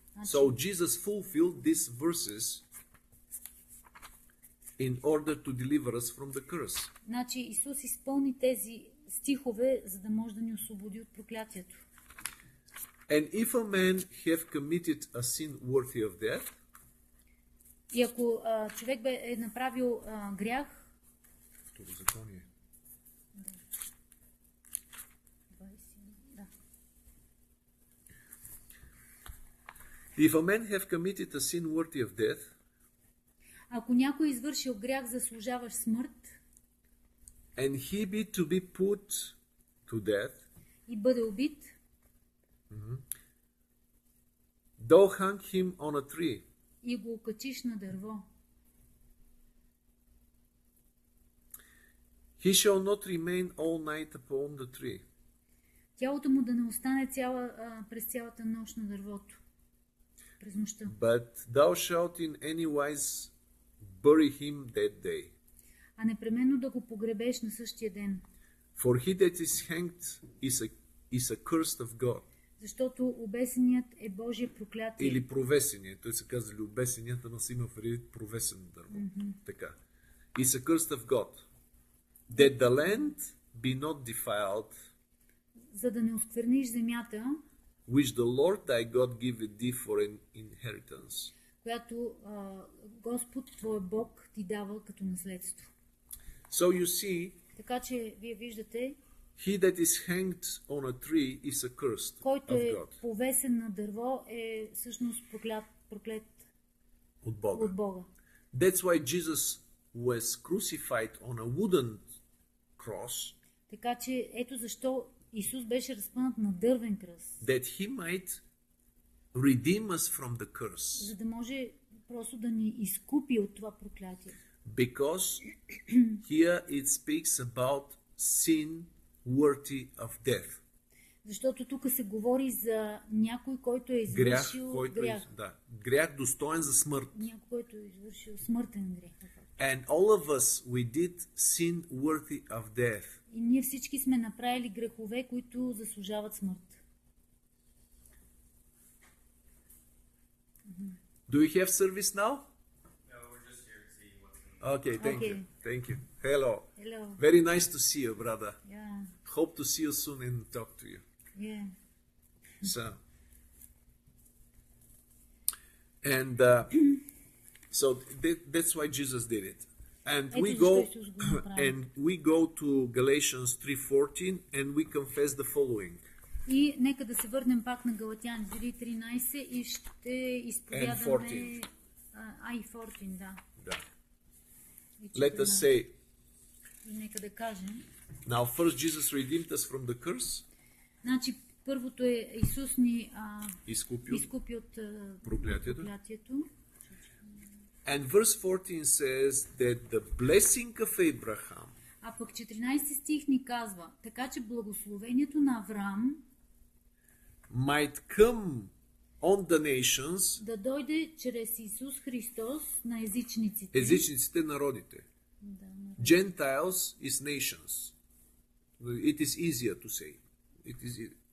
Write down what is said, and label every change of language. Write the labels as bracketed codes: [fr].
[bg] Значи, [en] so Jesus fulfilled these verses in order to deliver us from the curse. [bg] Значи Исус изпълни тези стихове, за да може да ни освободи от проклятието. [en] And if a man have committed a sin worthy of death, [bg] и ако човек бе е направил грях, Второзаконие. Да. [en] If a man have committed a sin worthy of death, [bg] ако някой извършил грях заслужаващ смърт, [en] and he be to be put to death. [bg] И бъде убит. [en] Thou hung him on a tree. [bg] И го окачиш на дърво. [en] He shall not remain all night upon the tree. [bg] Тялото му да не остане цяла, през цялата нощ на дървото. През нощта. [en] But thou shalt in any wise bury him that day. [bg] А непременно да го погребеш на същия ден. [en] For he that is hanged is a cursed of God. [bg] Защото обесеният е Божие проклятие. Или провесение. Той са казали обесеният, ама си има вредит провесен дърво. [en] Mm-hmm. [bg] Така. [en] Is a cursed of God. That the land be not defiled. [bg] За да не оскверниш земята. [en] Which the Lord thy God give thee for an inheritance. [bg] Която Господ твой Бог ти дава като наследство. [en] So you see, [bg] така че вие виждате, [en] he that is hanged on a tree is accursed of God. [bg] Който е повесен на дърво е всъщност проклет от Бога. От Бога. [en] That's why Jesus was crucified on a wooden cross. [bg] Така че ето защо Исус беше разпънат на дървен кръст. [en] That he might redeem us from the curse. [bg] За да може просто да ни изкупи от това проклятие. [en] Because here it speaks about sin worthy of death. [bg] Защото тук се говори за някой, който е извършил грях. Грях достоен за смърт. Някой, който е извършил смъртен грех. [en] And all of us we did sin worthy of death. [bg] И ние всички сме направили грехове, които заслужават смърт. [en] Do we have service now? Okay, thank you. Thank you. Hello. Hello. Very nice to see you, brother. Yeah. Hope to see you soon and talk to you. Yeah. So. And so that's why Jesus did it. And we go to Galatians 3:14 and we confess the following. [bg] И нека да се върнем пак на Галатяни 3:13 и ще изповядаме 14, да. Да. [en] Let us say. [bg] Нека да кажем. [en] Now first Jesus redeemed us from the curse. [bg] Значи първото е Исус ни изкупи от проклятието. [en] And verse 14 says that the blessing of Abraham. [bg] А пък 14 стих ни казва, така че благословението на Авраам [en] might come on the nations, [bg] да дойде чрез Исус Христос на езичниците. Езичниците, народите. Да, [en] Gentiles is nations. It is easier to say. It is